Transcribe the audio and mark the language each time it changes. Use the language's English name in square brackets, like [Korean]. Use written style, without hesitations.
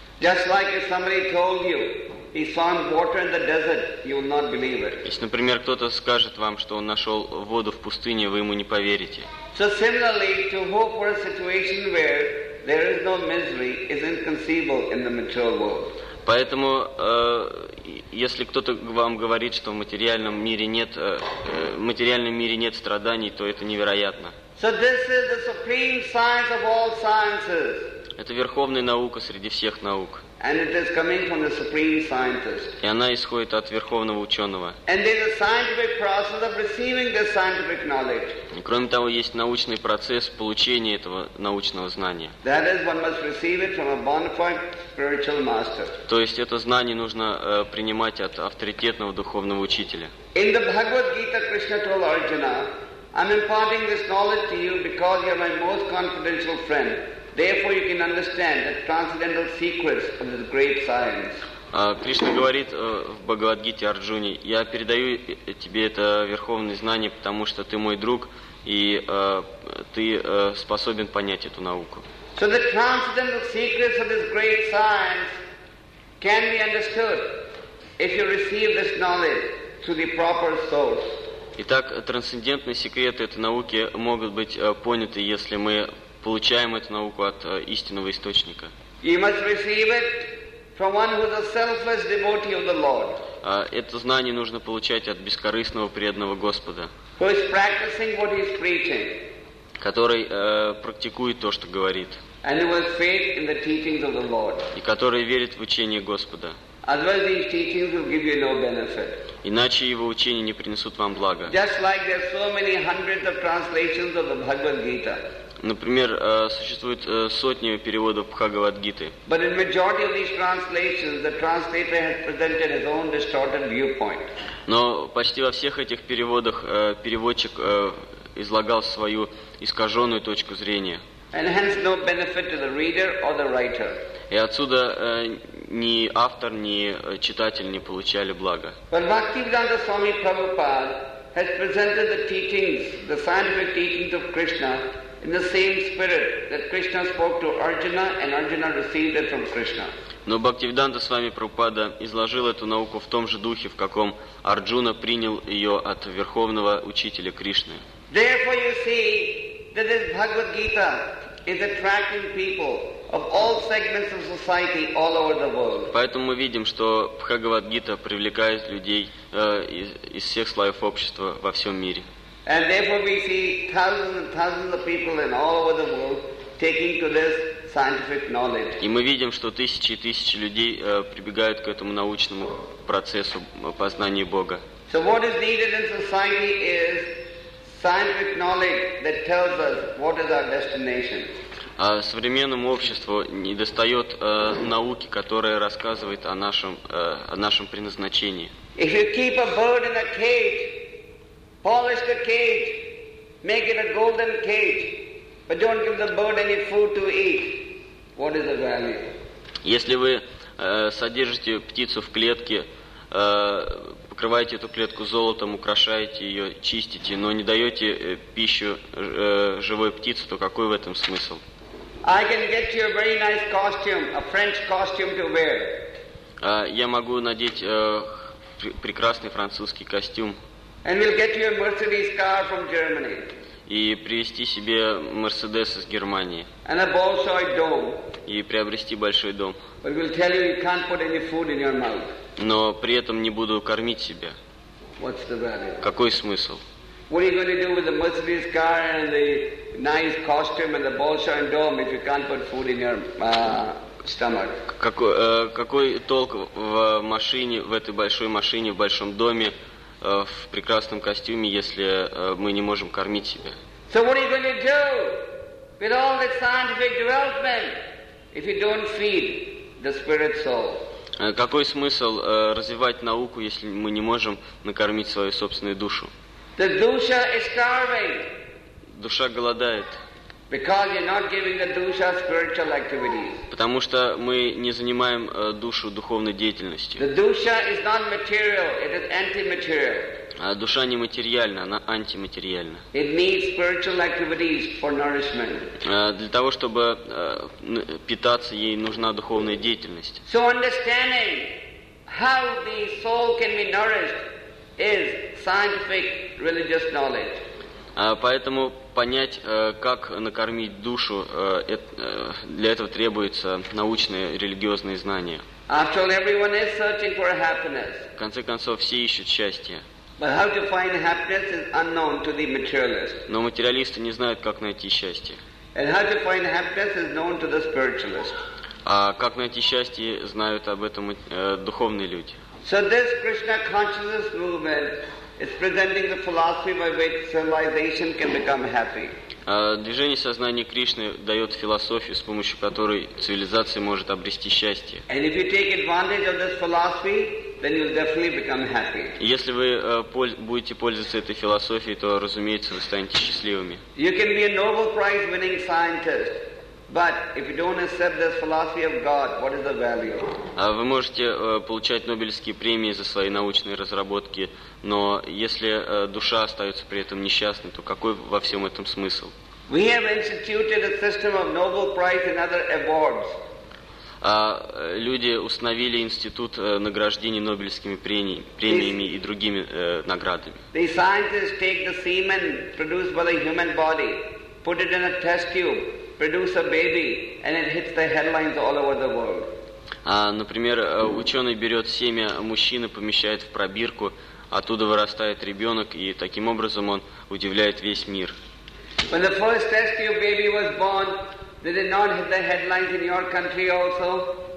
[English] Just like if somebody told you he found water in the desert, you will not believe it. [Russian] Если, например, кто-то скажет вам, что он нашел воду в пустыне, вы ему не поверите. [English] So similarly, to hope for a situation where there is no misery is inconceivable in the material world. [Russian] Поэтому, если кто-то вам говорит, что в материальном мире нет, в материальном мире нет страданий, то это невероятно. [English] So this is the supreme science of all sciences. [Russian] Это верховная наука среди всех наук. [English] And it is coming from the supreme scientist. [Russian] И она исходит от верховного ученого. [English] And there is a scientific process of receiving this scientific knowledge. [Russian] И кроме того, есть научный процесс получения этого научного знания. [English] That is, one must receive it from a bona fide spiritual master. [Russian] То есть это знание нужно принимать от авторитетного духовного учителя. [English] In the Bhagavad Gita, Krishna told Arjuna, I'm imparting this knowledge to you because you are my most confidential friend. Therefore, you can understand the transcendental secrets of this great science. [Russian] Кришна говорит в Бхагавад-гите Арджуне: я передаю тебе это верховное знание, потому что ты мой друг, и ты способен понять эту науку. [English] So the transcendental secrets of this great science can be understood if you receive this knowledge through the proper source. [Russian] Итак, трансцендентные секреты этой науки могут быть поняты, если мы получаем эту науку от истинного источника. [English] You must receive it from one who is a selfless devotee of the Lord. [Russian] Это знание нужно получать от бескорыстного преданного Господа. [English] Who is practicing what he is preaching. [Russian] Который практикует то, что говорит. [English] And who has faith in the teachings of the Lord. [Russian] И который верит в учение Господа. [English] Otherwise, these teachings will give you no benefit. [Russian] Иначе его учения не принесут вам блага. [English] Just like there are so many hundreds of translations of the Bhagavad Gita. [Russian] Например, существует сотни переводов Бхагавад-гиты. [English] But in majority of these translations, the translator has presented his own distorted viewpoint. [Russian] Но почти во всех этих переводах переводчик излагал свою искаженную точку зрения. [English] And hence no benefit to the reader or the writer. [Russian] И отсюда ни автор, ни читатель не получали блага. [English] But Bhaktivedanta Swami Prabhupada has presented the teachings, the scientific teachings of Krishna, in the same spirit that Krishna spoke to Arjuna and Arjuna received it from Krishna. [Russian] Но Бхактивиданта Свами Прабхупада изложил эту науку в том же духе, в каком Арджуна принял ее от верховного учителя Кришны. [English] Therefore you see that this Bhagavad Gita is attracting people of all segments of society all over the world. [Russian] Поэтому мы видим, что Бхагавад Гита привлекает людей из всех слоев общества во всем мире. [English] And therefore we see thousands and thousands of people in all over the world taking to this scientific knowledge. [Russian] И мы видим, что тысячи и тысячи людей прибегают к этому научному процессу познания Бога. [English] So what is needed in society is scientific knowledge that tells us what is our destination. [Russian] А современному обществу недостает науки, которая рассказывает о нашем предназначении. [English] If you keep a bird in a cage, polish the cage, make it a golden cage, but don't give the bird any food to eat. What is the value? [Russian] Если вы содержите птицу в клетке, покрываете эту клетку золотом, украшаете ее, чистите, но не даете пищу живой птице, то какой в этом смысл? [English] I can get you a very nice costume, a French costume to wear. [Russian] Я могу надеть прекрасный французский костюм. [English] And we'll get you a Mercedes car from Germany. [Russian] и привезти себе Мерседес из Германии [English] and a Bolshoi dome. [Russian] И приобрести большой дом. [English] But we'll tell you, you can't put any food in your mouth. [Russian] Но при этом не буду кормить себя. [English] What's the value? [Russian] Какой смысл? [English] What are you going to do with the Mercedes car and the nice costume and the Bolshoi dome if you can't put food in your stomach? [Russian] Какой толк в машине, в этой большой машине, в большом доме, в прекрасном костюме, если мы не можем кормить себя? [English] So what are you going to do with all the scientific development if you don't feed the spirit soul? [Russian] Какой смысл развивать науку, если мы не можем накормить свою собственную душу? [English] The dusha is starving. [Russian] Душа голодает. [English] Because you're not giving the dusha spiritual activities. [Russian] Потому что мы не занимаем душу духовной деятельностью. [English] The dusha is not material, it is anti-material. [Russian] А душа не материальна, она антиматериальна. [English] It needs spiritual activities for nourishment. [Russian] Для того, чтобы питаться, ей нужна духовная деятельность. [English] So understanding how the soul can be nourished is scientific religious knowledge. [Russian] Поэтому понять, как накормить душу, для этого требуется научные религиозные знания. [English] After all, everyone is searching for happiness. [Russian] В конце концов, все ищут счастье. [English] But how to find happiness is unknown to the materialist. [Russian] Но материалисты не знают, как найти счастье. [English] And how to find happiness is known to the spiritualist. [Russian] А как найти счастье, знают об этом духовные люди. [English] So this Krishna consciousness movement is presenting the philosophy by which civilization can become happy. [Russian] Движение сознания Кришны дает философию, с помощью которой цивилизация может обрести счастье. [English] And if you take advantage of this philosophy, then you'll definitely become happy. [Russian] Если вы будете пользоваться этой философией, то, разумеется, вы станете счастливыми. [English] You can be a Nobel Prize winning scientist, but if you don't accept this philosophy of God, what is the value? [Russian] Вы можете получать Нобелевские премии за свои научные разработки, но если душа остается при этом несчастной, то какой во всем этом смысл? [English] We have instituted a system of Nobel Prize and other awards. [Russian] А люди установили институт награждений Нобелевскими премиями и другими наградами. [English] The scientists take the semen produced by the human body, put it in a test tube, produce a baby, and it hits the headlines all over the world. [Russian] Например, ученый берет семя мужчины, помещает в пробирку, оттуда вырастает ребенок, и таким образом он удивляет весь мир. [English] When the first test tube baby was born, did it not hit the headlines in your country also?